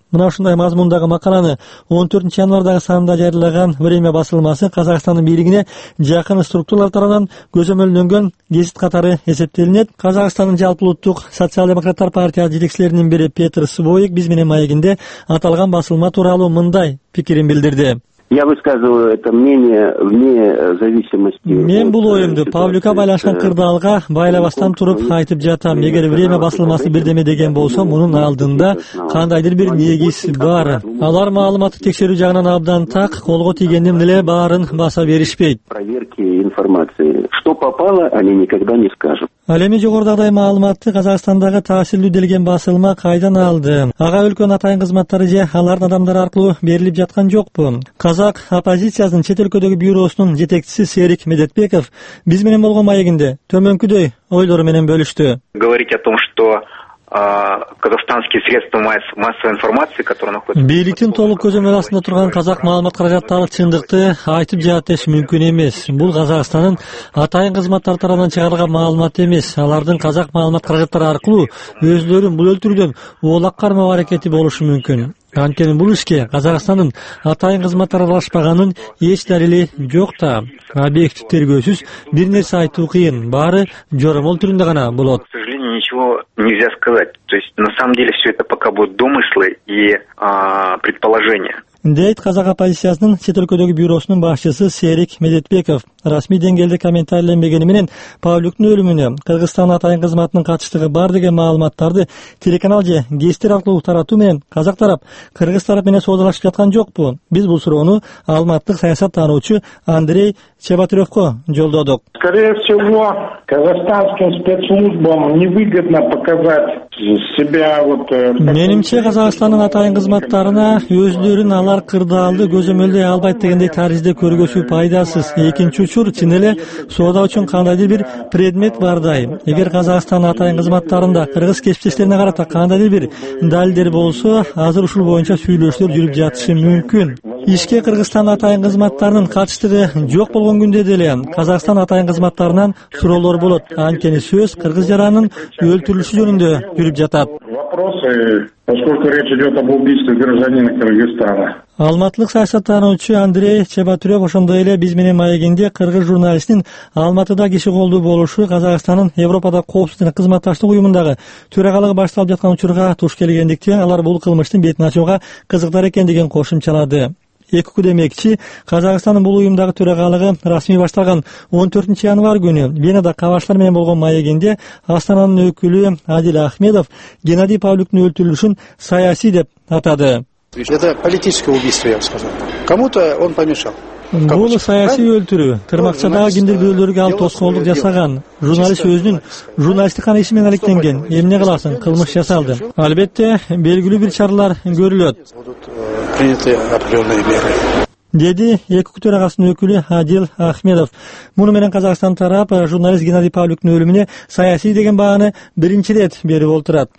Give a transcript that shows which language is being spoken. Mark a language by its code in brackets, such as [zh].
[ky] Мына ушундай мазмундагы макаланы 14 январдагы санында жарыялаган Время басылмасы Казакстандын бийлигине жакын структуралар тарабынан көзөмөлдөнгөн гезит катары эсептелинет. Казакстандын жалпы улуттук социал демократтар партиясы жетекчилеринин бири Петр Свойк биз менен маегинде аталган басылма тууралуу мындай пикирин билдирди. [ru] Я высказываю это мнение вне зависимости. [ky] Мен бул оюмду Павлюка байланышкан кырдаалга байлабастан туруп айтып жатам. Эгер Время басылмасы бирдеме деген болсо, мунун алдында кандайдыр бир негиз бар. Алар маалыматты текшерүү жагынан абдан так, колго тийгендин эле баарын баса беришпейт. [ru] Проверки информации. Что попало, они никогда не скажут. [ky] Ал эми жогорудагыдай маалыматты Казакстандагы таасирлүү делген басылма кайдан алды? Ага өлкөнүн атайын кызматтары же алардын адамдары аркылуу берилип жаткан жокпу? Казак оппозициясынын чет өлкөдөгү бюросунун жетекчиси Серик Медетбеков биз менен болгон маегинде төмөнкүдөй ойлору менен бөлүштү. [ru] Говорить о том, что казахстанские средства массовой информации, которые находятся... [ky] Бийликтин толук көзөмөл астында турган казак маалымат каражаттары чындыкты айтып жаат деш мүмкүн эмес. Бул Казакстандын атайын кызматтар тарабынан чыгарылган маалымат эмес. Алардын казак маалымат каражаттары аркылуу өзлөрүн бул өлтүрүүдөн оолак кармоо аракети болушу мүмкүн. Анткени бул ишке Казакстандын атайын кызматтары аралашпаганын эч дарили жок да. Объектти тергөөсүз бир нерсе айтуу кыйын. Баары жоромол түрүндө гана болот. [ru] Ничего нельзя сказать. То есть на самом деле все это пока будут домыслы и предположения. [ky] Дейт казак оппозициясынын чет өлкөдөгү бюросунун башчысы Серик Медетбеков. Расмий деңгээлде комментарийленбегени менен Павлюктун өлүмүнө Кыргызстан атайын кызматынын катыштыгы бар деген маалыматтарды телеканал же гестер аркылуу таратуу менен казак тарап кыргыз тарап менен соодалашып жаткан жокпу? Биз бул суроону алматтык саясат таануучу Андрей Чебатыревко жолдодук. [ru] Скорее всего, казахстанским спецслужбам невыгодно показать себя вот... [ky] Менимче Казахстандын атайын кызматтарына өзлөрүн алар кырдаалды көзөмөлдөй албайт дегендей тарзде көргөзүү пайдасыз. Экинчи учур чын эле соода үчүн кандайдыр бир предмет бардай. Эгер Казахстандын атайын кызматтарында кыргыз кесиптештерине карата кандайдыр бир далилдер болсо, азыр ушул боюнча сүйлөшүүлөр жүрүп жатышы мүмкүн. Ишке Кыргызстан атайын кызматтарынын катыштыгы жок болгон күндө деле Казахстан атайын кызматтарынан суроолор болот. Анткени сөз кыргыз жаранынын өлтүрүлүшү жөнүндө жүрүп жатат. [ru] Поскольку речь идет об убийстве гражданина Кыргызстана. [ky] Алматылык саясаттануучу Андрей Чебатырев ошондой эле биз менен маегинде кыргыз журналистин Алматыда киши колдуу болушу Казакстандын Европада коопсуздук кызматташтык уюмундагы төрагалыгы башталып жаткан учурга туш келгендиктен алар бул кылмыштын бетин ачууга кызыктар экендигин кошумчалады. Эки күн демекчи, Казакстандын бул уюмдагы төрагалыгы расмий башталган 14 январ күнү Венада кабарчылар менен болгон маегинде Астананын өкүлү Адил Ахмедов Геннадий Павлюктун өлтүрүлүшүн саясий деп атады. [ru] Это политическое убийство, я бы сказал. Кому-то он помешал. [ky] Бул саясий өлтүрүү. Тырмакчадагы киндирдөөлөргө ал тоскоолдук жасаган. Журналист өзүнүн журналисттик кана иши менен алектенген. Эмне кыласың? Кылмыш жасалды. Албетте, белгилүү бир чаралар көрүлөт. Деди эки төрагасынын өкүлү Адил Ахмедов. Муну менен Казакстан тарап журналист Геннадий Павлюктун өлүмүнө саясий деген бааны биринчи ирет берип олтурат.